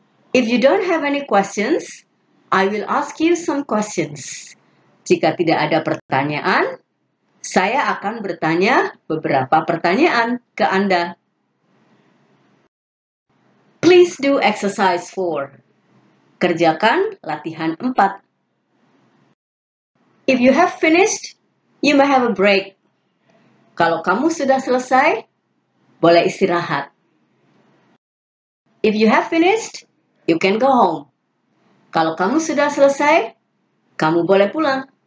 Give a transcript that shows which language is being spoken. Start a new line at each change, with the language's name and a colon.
English: If you don't have any questions, I will ask you some questions.
Indonesian: Jika tidak ada pertanyaan, saya akan bertanya beberapa pertanyaan ke Anda.
English: Please do exercise 4.
Indonesian: Kerjakan latihan 4.
English: If you have finished, you may have a break.
Indonesian: Kalau kamu sudah selesai, boleh istirahat.
English: If you have finished, you can go home.
Indonesian: Kalau kamu sudah selesai, kamu boleh pulang.